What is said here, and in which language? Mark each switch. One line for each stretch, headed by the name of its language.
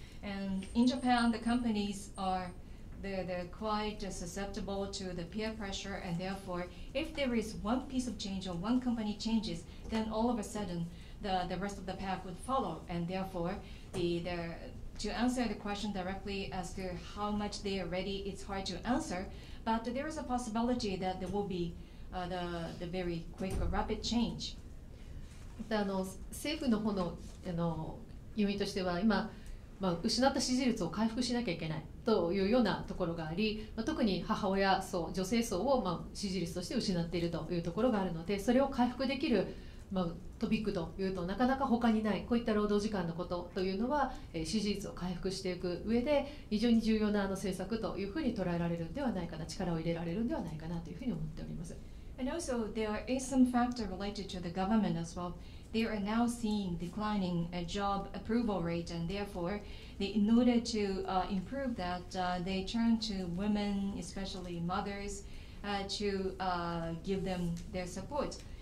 English: And in Japan, the companies are they're quite susceptible to the peer pressure, and therefore, if there is one piece of change or one company changes, then all of a sudden, the rest of the pack would follow. And therefore, to answer the question directly as to how much they are ready, it's hard to answer. But there is a possibility that there will be the very quick or rapid change.
Japanese: 政府の方の読みとしては今、失った支持率を回復しなきゃいけない、というようなところがあり、まあ、特に母親層、女性層を、まあ、支持率として失っているというところがあるので、それを回復できる、まあ、トピックというとなかなか他にない、こういった労働時間のことというのは、支持率を回復していく上で非常に重要なあの政策というふうに捉えられるのではないかな、力を入れられるのではないかなというふうに思っております。
English: And also, there is some factor related to the government as well. They are now seeing declining job approval rate, and therefore, in order to improve that, they turn to women, especially mothers, to give them their support.